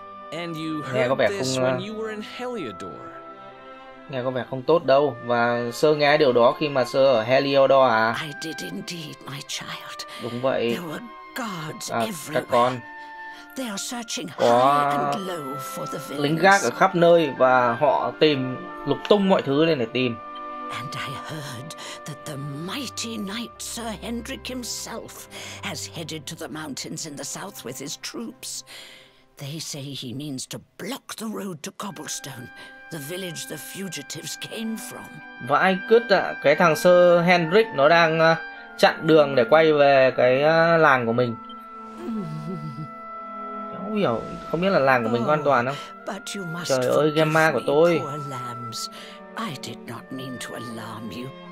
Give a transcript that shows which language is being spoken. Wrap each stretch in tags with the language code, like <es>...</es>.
<en>And you heard this when you were in Heliodor.</en> <vi>Nghe có vẻ không tốt đâu. Và Sơ nghe điều đó khi mà Sơ ở Heliodor à?</vi> <en>I did indeed, my child.</en> <vi>Đúng vậy.</vi> <en>There were gods everywhere.</en> <vi>Các con.</vi> <en>They are searching</en> <vi>có</vi> <en>high and low for the villains.</en> <vi>Lính gác ở khắp nơi và họ tìm lục tung mọi thứ lên để tìm.</vi> <en>And I heard that the mighty knight Sir Hendrik himself has headed to the mountains in the south with his troops. They say he means to block the road to Cobblestone, the village the fugitives came from.</en> <vi>Vãi cứt ạ, cái thằng Sir Hendrik nó đang chặn đường để quay về cái làng của mình. Cháu hiểu, không biết là làng của mình có an toàn không? Trời ơi, game ma của tôi.</vi> <en>I did not mean to alarm you.</en>